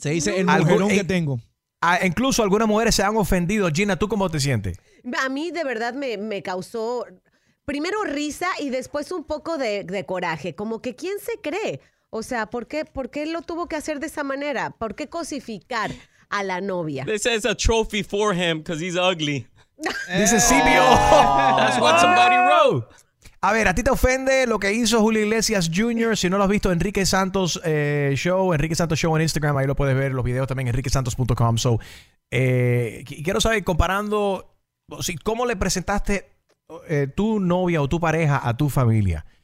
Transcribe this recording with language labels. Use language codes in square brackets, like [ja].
[es] Se dice el mujerón que tengo. Incluso algunas mujeres se han ofendido. Gina, ¿tú cómo te sientes? A mí de verdad me causó primero risa y después un poco de coraje. Como que ¿quién se cree? O sea, ¿por qué lo tuvo que hacer de esa manera? ¿Por qué cosificar a la novia? [en] They say it's a trophy for him because he's ugly. This is CBO. That's what somebody wrote. [es] A ver, ¿a ti te ofende lo que hizo Julio Iglesias Jr.? Si no lo has visto, Enrique Santos Show, Enrique Santos Show en Instagram, ahí lo puedes ver, los videos también, enriquesantos.com. So, quiero saber, comparando, ¿cómo le presentaste tu novia o tu pareja a tu familia?